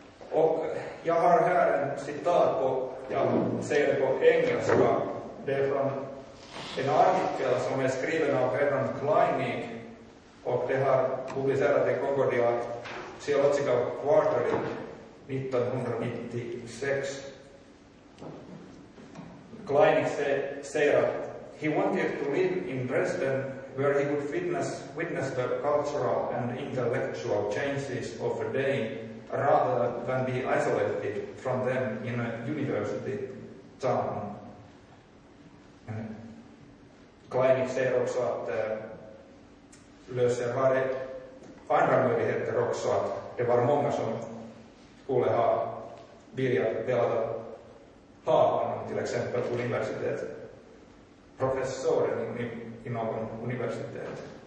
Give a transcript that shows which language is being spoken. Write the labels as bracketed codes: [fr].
[sv] Och jag har här en citat på, jag säger det på engelska, det är från en artikel som är skriven av Herman Kleinig och det har publicerat i Concordia Theological Quarterly 1996. Kleinig säger att [en] he wanted to live in Dresden where he could witness the cultural and intellectual changes of a day rather than be isolated from them in a university town. [sv] Kleinig säger också att Lösser hade andra möjligheter också, att det var många som skulle ha velat ha honom, till exempel universitet, professorer i någon universitet.